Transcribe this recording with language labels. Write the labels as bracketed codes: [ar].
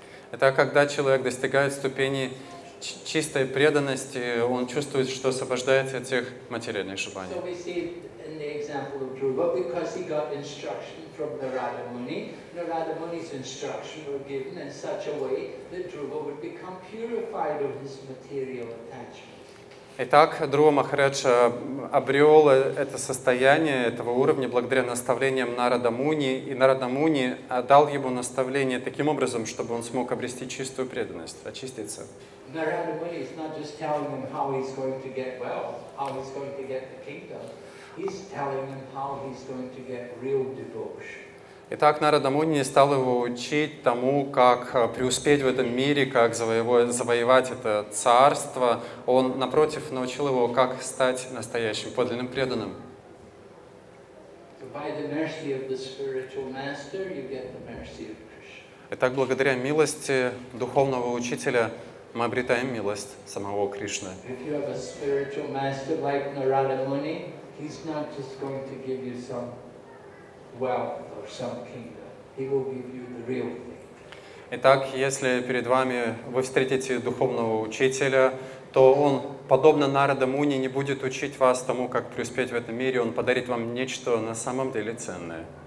[ru] Это когда человек достигает ступени чистой преданности, он чувствует, что освобождается от всех материальных желаний. [en] So we see in the example of Dhruva, because he got instruction from Narada Muni, Narada Muni's instructions were given in such a way that Dhruva would become purified of his material attachments. [ru] Итак, Друва Махарадж обрел это состояние, этого уровня, благодаря наставлениям Нарада Муни, и Нарада Муни дал ему наставление таким образом, чтобы он смог обрести чистую преданность, очиститься. [en] Narada Muni is not just telling him how he's going to get wealth, how he's going to get the kingdom. He's telling him how he's going to get real devotion. [ru] Итак, Нарада Муни стал его учить тому, как преуспеть в этом мире, как завоевать это царство. Он, напротив, научил его, как стать настоящим подлинным преданным. [en] By the mercy of the spiritual master, you get the mercy of Krishna. [ru] Итак, благодаря милости духовного учителя мы обретаем милость самого Кришны. [en] If you have a spiritual master like Narada Muni, he's not just going to give you some wealth or some kingdom. He will give you the real thing. [ru] Итак, если перед вами вы встретите духовного учителя, то он, подобно Нарада Муни, не будет учить вас тому, как преуспеть в этом мире. Он подарит вам нечто на самом деле ценное.